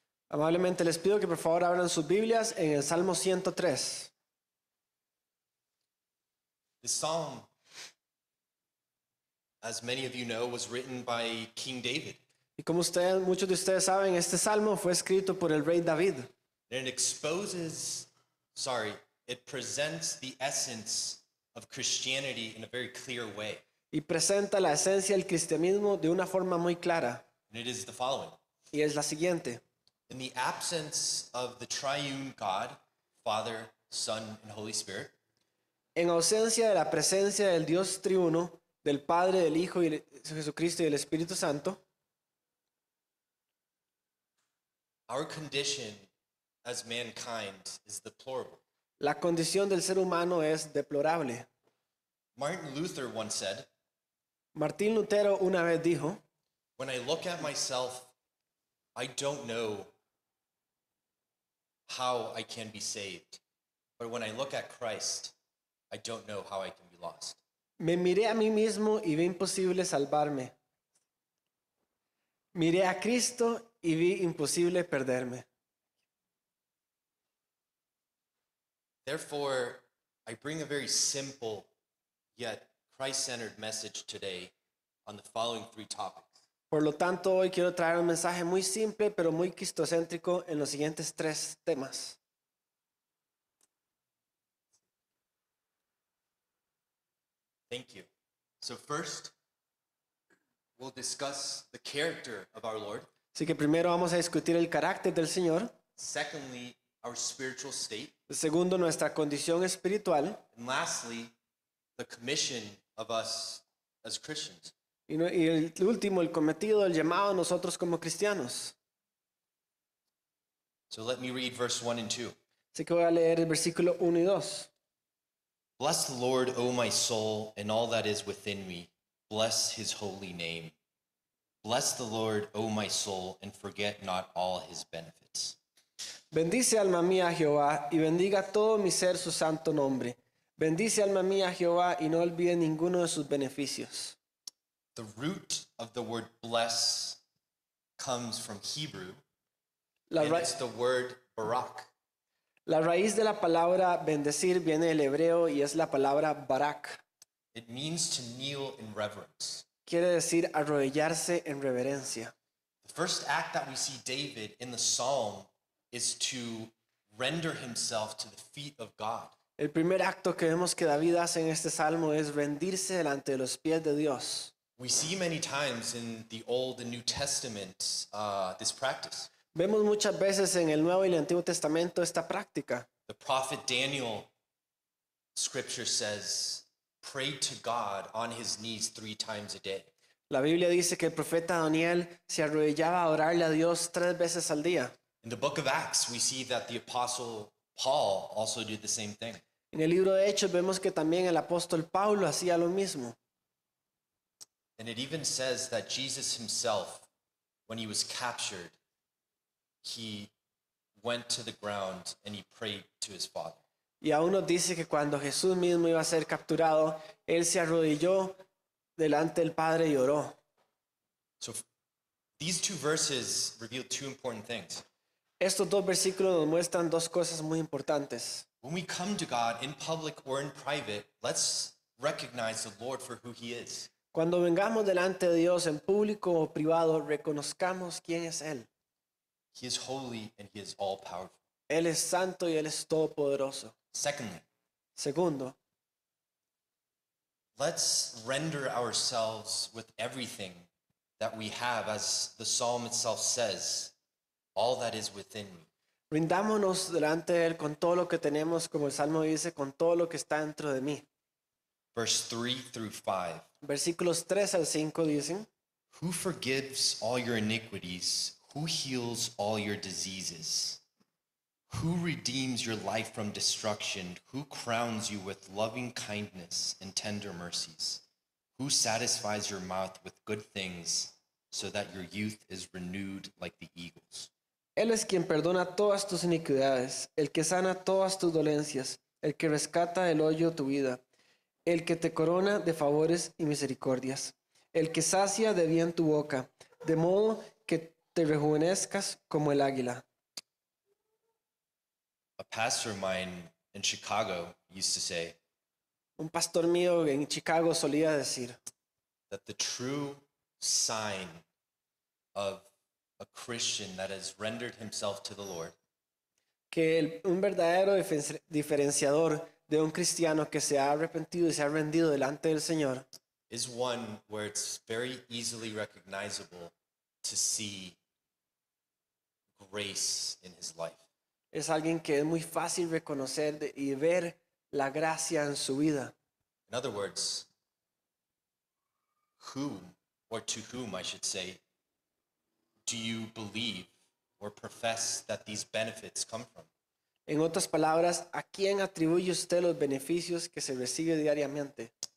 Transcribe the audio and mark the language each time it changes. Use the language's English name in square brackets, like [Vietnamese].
[Spanish] Amablemente les pido que por favor abran sus Biblias en el Salmo 103. [English] The Psalm, as many of you know, was written by King David. [Spanish] Y como ustedes, muchos de ustedes saben, este Salmo fue escrito por el Rey David. [English] It presents the essence of Christianity in a very clear way. [Spanish] Y presenta la esencia del cristianismo de una forma muy clara. [English] And it is the following. [Spanish] Y es la siguiente. [English] In the absence of the triune God, Father, Son, and Holy Spirit. [Spanish] En ausencia de la presencia del Dios triuno, del Padre, del Hijo y de Jesucristo y del Espíritu Santo. [English] Our condition as mankind is deplorable. [Spanish] La condición del ser humano es deplorable. [English] Martin Luther once said, [Spanish] Martín Lutero una vez dijo, [English] when I look at myself, I don't know how I can be saved. But when I look at Christ, I don't know how I can be lost. [Spanish] Me miré a mí mismo y vi imposible salvarme. Miré a Cristo y vi imposible perderme. [English] Therefore, I bring a very simple yet Christ-centered message today on the following three topics. [Spanish] Por lo tanto, hoy quiero traer un mensaje muy simple pero muy cristocéntrico en los siguientes tres temas. [English] Thank you. So first, we'll discuss the character of our Lord. [Spanish] Así que primero vamos a discutir el carácter del Señor. [English] Secondly, our spiritual state. [Spanish] Segundo, nuestra condición espiritual. [English] And lastly, the commission of us as Christians. [Spanish] Y el último, el cometido, el llamado a nosotros como cristianos. [English] So let me read verse 1 and 2. [Spanish] Así que voy a leer el versículo 1 y 2. [English] Bless the Lord, O my soul, and all that is within me. Bless his holy name. Bless the Lord, O my soul, and forget not all his benefits. [Spanish] Bendice alma mía Jehová, y bendiga todo mi ser su santo nombre. Bendice alma mía Jehová, y no olvide ninguno de sus beneficios. [English] The root of the word bless comes from Hebrew, and it's the word barak. [Spanish] La raíz de la palabra bendecir viene del hebreo y es la palabra barak. [English] It means to kneel in reverence. [Spanish] Quiere decir arrodillarse en reverencia. [English] The first act that we see David in the psalm is to render himself to the feet of God. [Spanish] El primer acto que vemos que David hace en este salmo es rendirse delante de los pies de Dios. [English] We see many times in the Old and New Testament this practice. [Spanish] Vemos muchas veces en el Nuevo y el Antiguo Testamento esta práctica. [English] The prophet Daniel, scripture says, prayed to God on his knees three times a day. [Spanish] La Biblia dice que el profeta Daniel se arrodillaba a orarle a Dios tres veces al día. [English] In the book of Acts, we see that the apostle Paul also did the same thing. [Spanish] En el libro de Hechos vemos que también el apóstol Pablo hacía lo mismo. [English] And it even says that Jesus himself, when he was captured, he went to the ground and he prayed to his Father. [Spanish] Y aún nos dice que cuando Jesús mismo iba a ser capturado, él se arrodilló delante del Padre y oró. [English] So these two verses reveal two important things. [Spanish] Estos dos versículos nos muestran dos cosas muy importantes. [English] When we come to God in public or in private, let's recognize the Lord for who he is. [Spanish] Cuando vengamos delante de Dios en público o privado, reconozcamos quién es él. [English] He is holy and he is all powerful. [Spanish] Él es santo y él es todopoderoso. [English] Secondly, [Spanish] segundo, [English] let's render ourselves with everything that we have, as the psalm itself says, all that is within me. [Spanish] Rindámonos delante de él con todo lo que tenemos, como el salmo dice, con todo lo que está dentro de mí. [English] Verse 3-5. [Spanish] Versículos 3 al 5 dicen: [English] Who forgives all your iniquities? Who heals all your diseases? Who redeems your life from destruction? Who crowns you with loving kindness and tender mercies? Who satisfies your mouth with good things so that your youth is renewed like the eagles? [Spanish] Él es quien perdona todas tus iniquidades, el que sana todas tus dolencias, el que rescata del hoyo tu vida, el que te corona de favores y misericordias, el que sacia de bien tu boca, de modo que te rejuvenezcas como el águila. [English] A pastor of mine in Chicago used to say, [Spanish] un pastor mío en Chicago solía decir, [English] that the true sign of a Christian that has rendered himself to the Lord, [Spanish] que un verdadero diferenciador de un cristiano que se ha arrepentido y se ha rendido delante del Señor, [English] is one where it's very easily recognizable to see grace in his life. [Spanish] Es alguien que es muy fácil reconocer y ver la gracia en su vida. [English] In other words, whom, or to whom I should say, do you believe or profess that these benefits come from? [Spanish] En otras palabras, ¿a quién atribuye usted los beneficios que se recibe diariamente?